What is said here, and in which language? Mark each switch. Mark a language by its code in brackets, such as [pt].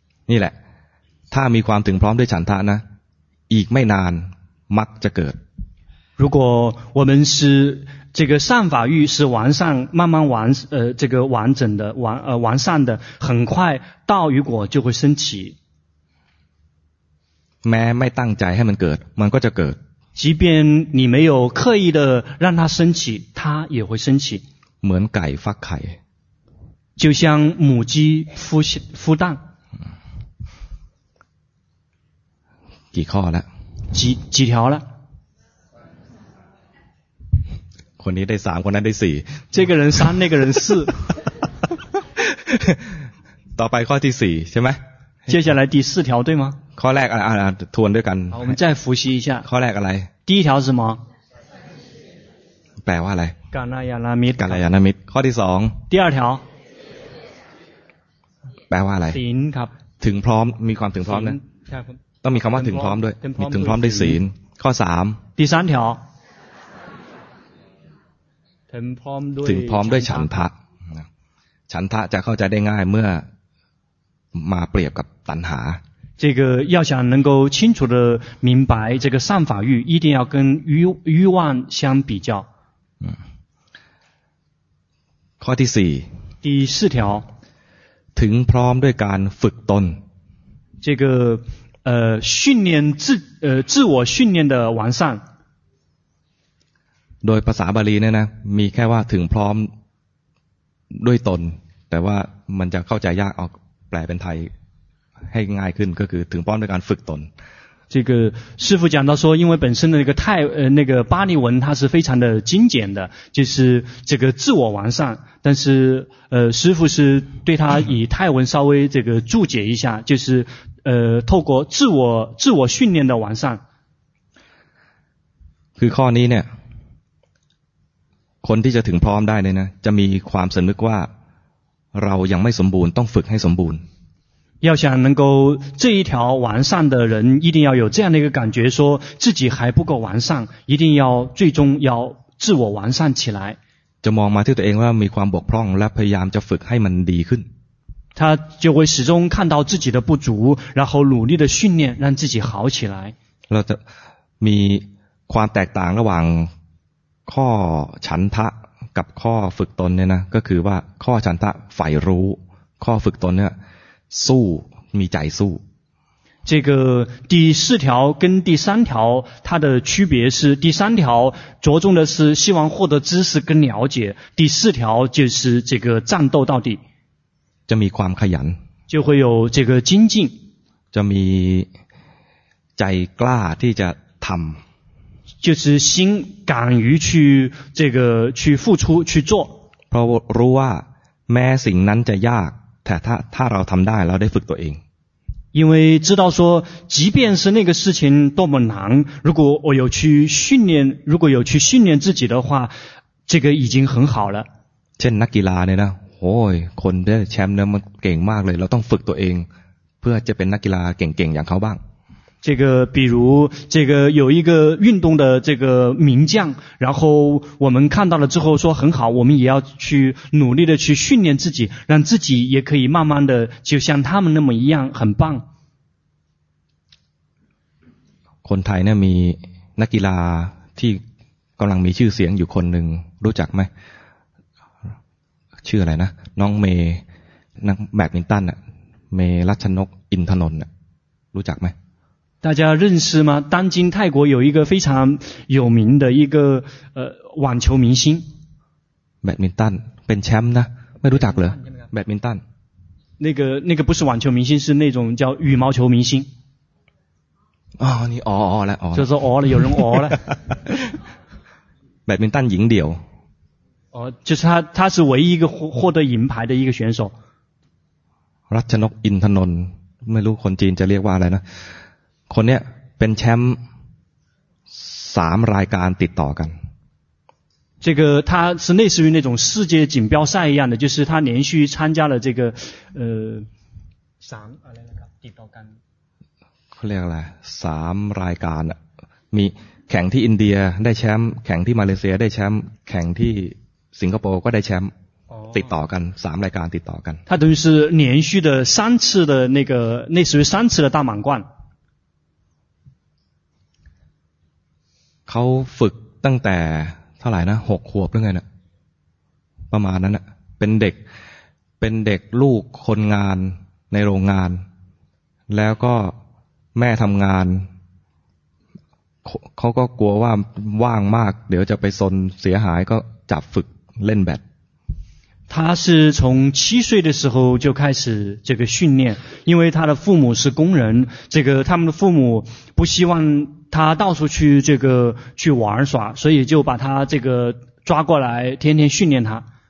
[th] นี่แหละถ้ามีความถึงพร้อมด้วยฉันทะนะอีกไม่นานมรรคจะเกิด [zh] 如果我们是这个善法欲是完善慢慢完这个完整的完完善的很快道与果就会升起 [th] แม้ไม่ตั้งใจให้มันเกิดมันก็จะเกิด [zh] 即便你没有刻意的让它升起它也会升起 [th] เหมือนไก่ฟักไข่ [zh] 就像母鸡孵蛋 [th] กี่ข้อแล้ว [zh] 几条了 [th] คนนี้ได้3คนนั้นได้4 [zh] 这个人3 那个人4 [th] ต่อไปข้อที่4ใช่ไหม [zh] 接下来第四条对吗 [th] ข้อแรกทวนด้วยกัน [zh] 我们再复习一下 [th] ข้อแรกอะไร [zh] 第一条是什么 [th] แปลว่าอะไร กาลยานามิต รกาลยานามิตรข้อที่2 [zh] 第二条 [th] แปลว่าอะไร ศีลครับ ถึงพร้อมมีความถึงพร้อมนะต้องมีคำว่าถึงพร้อมด้วยมีถึงพร้อมด้วยศีลข้อ3 [zh] 第三条 [th] ถึงพร้อมด้วยฉันทะฉันทะจะเข้าใจได้ง่ายเมื่อมาเปรียบกับตัณหา [zh] 这个要想能够清楚的明白这个善法欲一定要跟欲望相比较 [th] ข้อที่4 [zh] 第4条 [th] ถึงพร้อมด้วยการฝึกตน [zh] 这个训练自我训练的完善 [th] โดยภาษาบาลีเนี่ยนะมีแค่ว่าถึงพร้อมด้วยตนแต่ว่ามันจะเข้าใจยากออกแปลเป็นไทยให้ง่ายขึ้นก็คือถึงพร้อมด้วยการฝึกตน [zh] 这个师父讲到说因为本身的那个泰那个巴利文它是非常的精简的就是这个自我完善但是师父是对他以泰文稍微这个注解一下就是透过自我训练的完善 [th] คือข้อนี้เนี่ยคนที่จะถึงพร้อมได้เนี่ยนะจะมีความสำนึกว่าเรายังไม่สมบูรณ์ต้องฝึกให้สมบูรณ์ อย [zh] 要想能够这一条完善的人，一定要有这样的一个感觉，说自己还不够完善，一定要最终要自我完善起来。 [th] จะมองมาที่ตัวเองว่ามีความบกพร่องและพยายามจะฝึกให้มันดีขึ้น [zh] 他就会始终看到自己的不足，然后努力的训练，让自己好起来。 [th] เราจะมีความแตกต่างระหว่างข้อฉันทะกับข้อฝึกตนเนี่ยนะก็คือว่าข้อฉันทะฝ่ายรู้ข้อฝึกตนเนี่ยสู้มีใจสู้ [zh] 这个第四条跟第三条它的区别是第三条着重的是希望获得知识跟了解第四条就是这个战斗到底 [th] จะมีความขยัน [zh] 就会有这个精进 [th] จะมีใจกล้าที่จะทำ [zh] 就是心敢于去这个去付出去做 [th] เพราะรู้ว่าแม้สิ่งนั้นจะยากแต่ถ้าเราทำได้เราได้ฝึกตัวเอง [zh] 因为知道说即便是那个事情多么难如果我有去训练如果有去训练自己的话这个已经很好了 [th] เช่นนักกีฬาเนี่ยนะโอ้ยคนได้แชมป์เนี่ยมันเก่งมากเลยเราต้องฝึกตัวเองเพื่อจะเป็นนักกีฬาเก่งๆอย่างเขาบ้าง [zh] 这个比如这个有一个运动的这个名将然后我们看到了之后说很好我们也要去努力的去训练自己让自己也可以慢慢的就像他们那么一样很棒 [th] คนไทยเนี่ยมีนักกีฬาที่กำลังมีชื่อเสียงอยู่คนหนึ่งรู้จักไหมชื่ออะไรนะน้องเมย์นักแบดมินตันเมย์รัชนกอินทนนท์รู้จักไหม [zh] 大家认识吗？当今泰国有一个非常有名的一个网球明星。 [th] badminton เป็นแชมป์นะ ไม่รู้จักเหรอ badminton [zh] 那个不是网球明星，是那种叫羽毛球明星。哦，你哦哦来哦，就是哦了，有人哦了。 badminton 赢掉。哦，就是他是唯一一个获得银牌的一个选手。 [th] รัชนก อินทนนท์ไม่รู้คนจีนจะเรียกว่าอะไรนะคนเนี้ยเป็นแชมป์สามรายการติดต่อกัน [zh] 这个他是类似于那种世界锦标赛一样的就是他连续参加了这个 [th] สามอะไรนะครับติดต่อกัน เขาเรียกอะไรสามรายการมีแข่งที่อินเดียได้แชมป์แข่งที่มาเลเซียได้แชมป์แข่งที่สิงคโปร์ก็ได้แชมป์ ติดต่อกันสามรายการติดต่อกัน [zh] 他等于是连续的三次的那个类似于三次的大满贯 [th] เขาฝึกตั้งแต่เท่าไหร่นะหกขวบหรือไงนะประมาณนั้นนะเป็นเด็กลูกคนงานในโรงงานแล้วก็แม่ทำงานเขาก็กลัวว่าว่างมากเดี๋ยวจะไปซนเสียหายก็จับฝึกเล่นแบด [zh] 他是从七岁的时候就开始这个训练因为他的父母是工人这个他们的父母不希望他到处去这个去玩耍所以就把他这个抓过来天天训练他